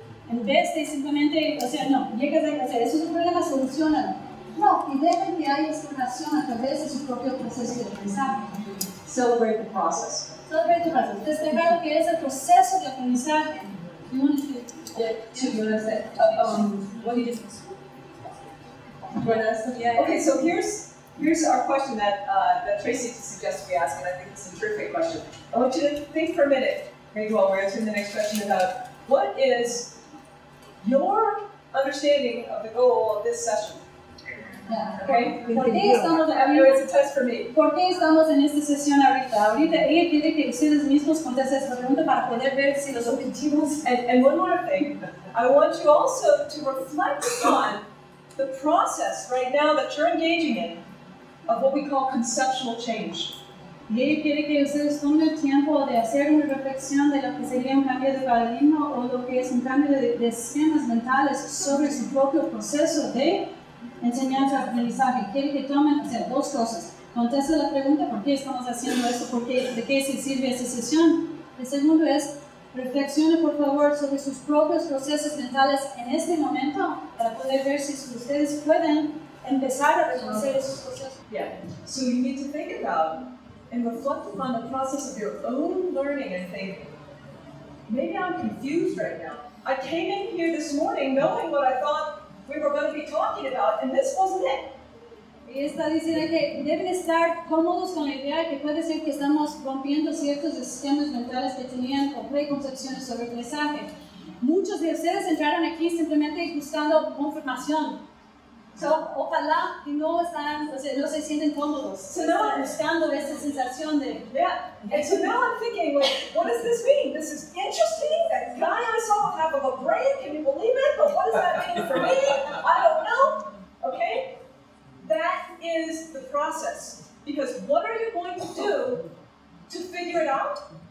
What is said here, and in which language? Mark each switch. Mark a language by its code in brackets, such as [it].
[es] En vez de simplemente, o sea, no, llegas a hacer, eso es un problema, solucionalo. No, y dejen que haya exploración a través de su propio proceso de aprendizaje. [en] Celebrate the process. Celebrate the process. [es] Despegar lo que es el proceso de aprendizaje. [en] You want to yeah. So you want to say, what do you think? Okay, so here's our question that that Tracy suggested we ask, and I think it's a terrific question. I want you to think for a minute, maybe while we're answering the next question, about what is your understanding of the goal of this session? [es] ¿Por qué estamos en esta sesión ahorita? Ahorita ella quiere que ustedes mismos contesten esta pregunta para poder ver si los objetivos. [en] And one more thing, I want you also to reflect on the process right now that you're engaging in of what we call conceptual change. [es] Y ella quiere que ustedes tomen el tiempo de hacer una reflexión de lo que sería un cambio de paradigma o lo que es un cambio de esquemas mentales sobre su propio proceso de enseñanza, aprendizaje. Quiere que tomen, o sea, dos cosas. Contesta la pregunta, ¿por qué estamos haciendo esto? ¿Por qué, de qué se sirve esta sesión? El segundo es, reflexione, por favor, sobre sus propios procesos mentales en este momento para poder ver si ustedes pueden empezar a reconocer esos procesos. [en] Yeah. So you need to think about and reflect upon the process of your own learning and think, maybe I'm confused right now. I came in here this morning knowing what I thought we were going to be talking about, and this wasn't it. [es] Y está diciendo que deben estar cómodos con la idea que puede ser que estamos rompiendo ciertos esquemas mentales que tenían o preconcepciones sobre el mensaje. Muchos de ustedes entraron aquí simplemente buscando confirmación. So, ojalá que no están, o sea, no se sienten cómodos. [en] So now, [es] buscando esa sensación de... [en] Yeah. And so now I'm thinking, well, what does this mean? This is interesting. That guy I saw have of a brain, can you believe it? But what does that mean for me? I don't know. Okay? That is the process. Because what are you going to do to figure it out?